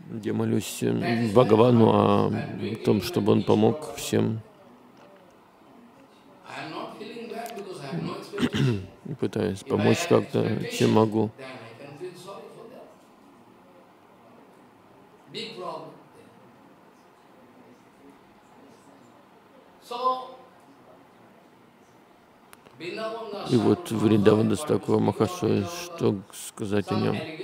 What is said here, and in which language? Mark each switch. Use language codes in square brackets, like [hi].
[ru] Я молюсь Бхагавану о том, чтобы он помог всем. [en] I am not feeling bad because I have no expectation. [ru] Пытаюсь помочь как-то, чем могу. [en] Then I can feel sorry for them. Big problem. So. [ru] И вот Вриндаван Дас Такура Махасу, что сказать о нем?